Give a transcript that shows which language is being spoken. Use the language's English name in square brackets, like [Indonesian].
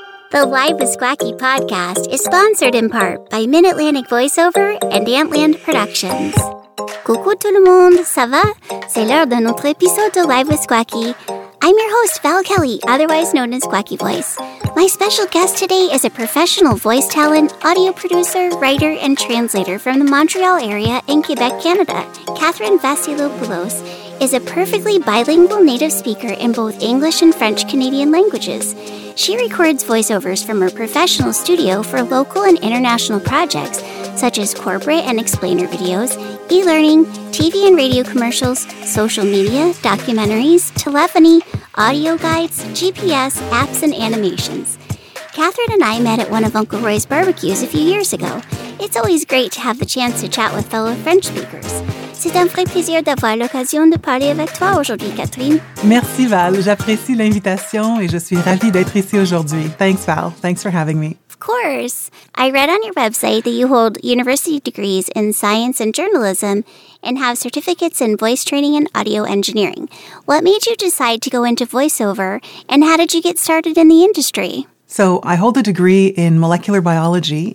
[English] The Live with Squacky podcast is sponsored in part by Mid-Atlantic VoiceOver and Antland Productions. [French] Coucou tout le monde, ça va? C'est l'heure de notre épisode de Live with Squacky. [English] I'm your host, Val Kelly, otherwise known as Squacky Voice. My special guest today is a professional voice talent, audio producer, writer, and translator from the Montreal area in Quebec, Canada. Catherine Vassilopoulos is a perfectly bilingual native speaker in both English and French Canadian languages. She records voiceovers from her professional studio for local and international projects, such as corporate and explainer videos, e-learning, TV and radio commercials, social media, documentaries, telephony, audio guides, GPS, apps, and animations. Catherine and I met at one of Uncle Roy's barbecues a few years ago. It's always great to have the chance to chat with fellow French speakers. [French] C'est un vrai plaisir d'avoir l'occasion de parler avec toi aujourd'hui, Catherine. Merci, Val. J'apprécie l'invitation et je suis ravie d'être ici aujourd'hui. [English] Thanks, Val. Thanks for having me. Of course. I read on your website that you hold university degrees in science and journalism and have certificates in voice training and audio engineering. What made you decide to go into voiceover and how did you get started in the industry? So I hold a degree in molecular biology.